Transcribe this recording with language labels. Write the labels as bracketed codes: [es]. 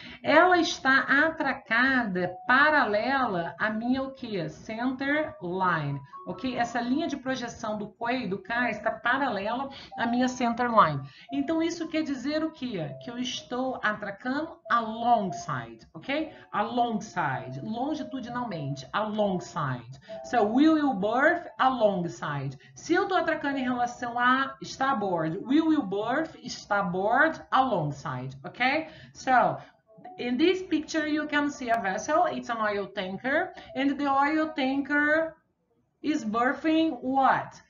[pt] Ela está atracada paralela à minha o quê? Center line, ok? Essa linha de projeção do quay, do cais, está paralela à minha center line. Então, isso quer dizer o quê? Que eu estou atracando alongside. [en] Okay? Alongside, longitudinalmente, alongside. So, will you berth alongside? [pt] Se eu estou atracando em relação a starboard, [en] will you berth starboard alongside? Okay? So, in this picture you can see a vessel, it's an oil tanker, and the oil tanker is berthing what?